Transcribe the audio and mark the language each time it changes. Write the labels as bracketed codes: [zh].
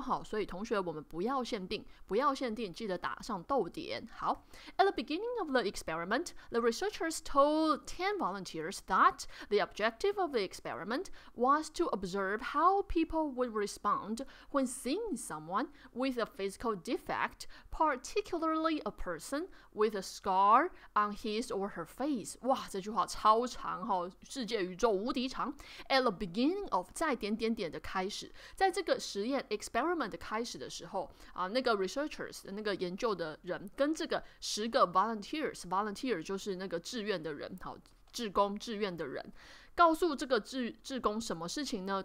[zh] 好，所以同学，我们不要限定，记得打上逗点。 [en] 好 ，At the beginning of the experiment， the researchers told 10 volunteers that the objective of the experiment was to observe how people would respond when seeing someone with a physical defect， particularly a person with a scar on his or her face。 [zh] 哇，这句话超长，哦，世界宇宙无敌长。 [en] At the beginning of [zh] 在点点点的开始，在这个实验 experiment 的开始的时候，啊，那个 researchers 那个研究的人跟这个十个 volunteer 就是那个志愿的人，好，志工志愿的人告诉这个 志工什么事情呢？